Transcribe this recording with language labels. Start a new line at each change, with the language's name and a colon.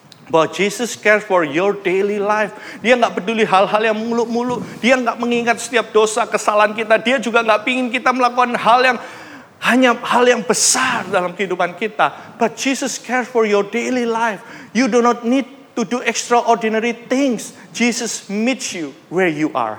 English: But Jesus cares for your daily life.
Indonesian: Dia gak peduli hal-hal yang muluk-muluk. Dia gak mengingat setiap dosa, kesalahan kita. Dia juga gak pingin kita melakukan hal yang hanya hal yang besar dalam kehidupan kita.
English: But Jesus cares for your daily life. You do not need to do extraordinary things. Jesus meets you where you are.